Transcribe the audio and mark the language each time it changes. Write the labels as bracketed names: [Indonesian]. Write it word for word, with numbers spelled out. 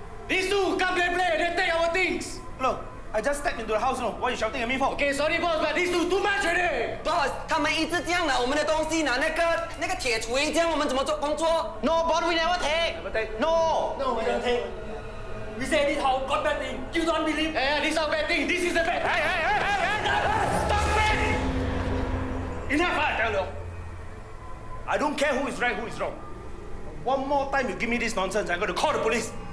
[English] These two come play play. They take our things. Look, I just stepped into the house. No, what are you shouting at me for? Okay, sorry boss, but these two too much already. [Chinese] Boss, 他们一直这样拿我们的东西，拿那个那个铁锤，这样我们怎么做工作 [English] ？No, boss, we never take. Never take. No, no, we don't take. We say this how God bad thing. You don't believe? Yeah, this how bad thing. This is the bad. Hey, hey, hey, hey, hey! Stop it! Enough, I tell you. I don't care who is right, who is wrong. One more time you give me this nonsense, I'm going to call the police.